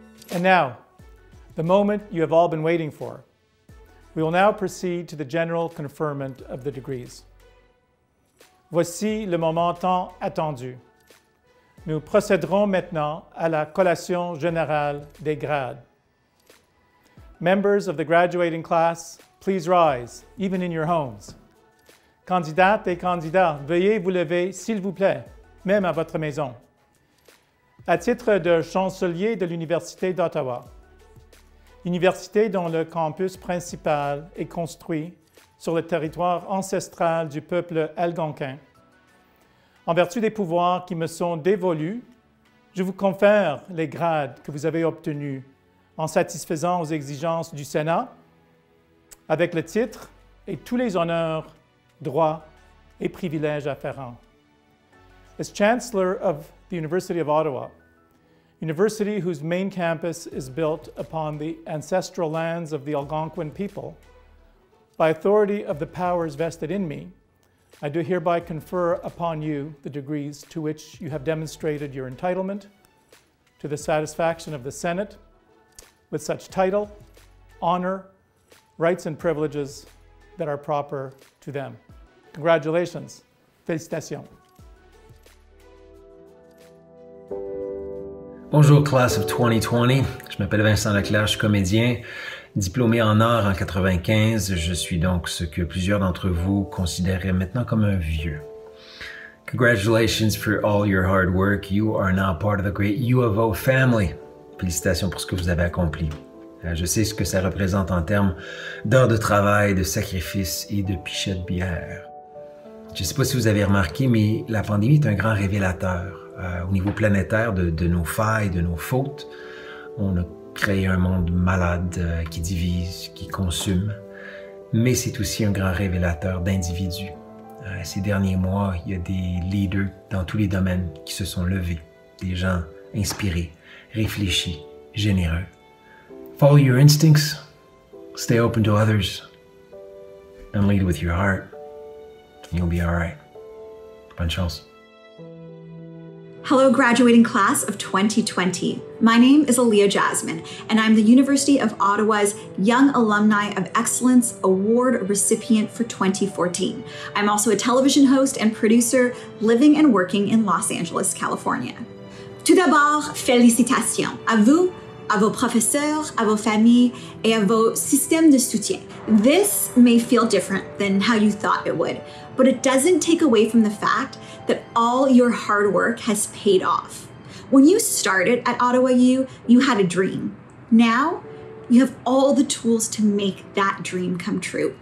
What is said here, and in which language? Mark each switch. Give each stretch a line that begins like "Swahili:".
English: And now, the moment you have all been waiting for. We will now proceed to the general conferment of the degrees.
French: Voici le moment tant attendu. Nous procéderons maintenant à la collation générale des grades.
English: Members of the graduating class, please rise, even in your homes.
French: Candidates et candidats, veuillez vous lever, s'il vous plaît, même à votre maison. À titre de chancelier de l'Université d'Ottawa, université dont le campus principal est construit sur le territoire ancestral du peuple algonquin, en vertu des pouvoirs qui me sont dévolus, je vous confère les grades que vous avez obtenus en satisfaisant aux exigences du Sénat, avec le titre et tous les honneurs, droits et privilèges afférents.
English: As Chancellor of the University of Ottawa, university whose main campus is built upon the ancestral lands of the Algonquin people, by authority of the powers vested in me, I do hereby confer upon you the degrees to which you have demonstrated your entitlement to the satisfaction of the Senate with such title, honor, rights and privileges that are proper to them. Congratulations.
French: Félicitations. Bonjour,
English: class of 2020.
French: Je m'appelle Vincent Leclerc, je suis comédien. Diplômé en art en 95, je suis donc ce que plusieurs d'entre vous considéraient maintenant comme un vieux.
English: Congratulations for all your hard work. You are now part of the great U of O family.
French: Félicitations pour ce que vous avez accompli. Je sais ce que ça représente en termes d'heures de travail, de sacrifices et de pichets de bière. Je ne sais pas si vous avez remarqué, mais la pandémie est un grand révélateur au niveau planétaire de nos failles, de nos fautes. On a créer un monde malade qui divise, qui consomme, mais c'est aussi un grand révélateur d'individus. Ces derniers mois, il y a des leaders dans tous les domaines qui se sont levés, des gens inspirés, réfléchis, généreux.
English: Follow your instincts, stay open to others, and lead with your heart. You'll be all right.
French: Bonne chance.
English: Hello, graduating class of 2020. My name is Aaliyah Jasmin, and I'm the University of Ottawa's Young Alumni of Excellence Award recipient for 2014. I'm also a television host and producer living and working in Los Angeles, California.
French: Tout d'abord, félicitations à vous, à vos professeurs, à vos familles, et à vos systèmes de soutien.
English: This may feel different than how you thought it would, but it doesn't take away from the fact that all your hard work has paid off. When you started at Ottawa U, you had a dream. Now, you have all the tools to make that dream come true.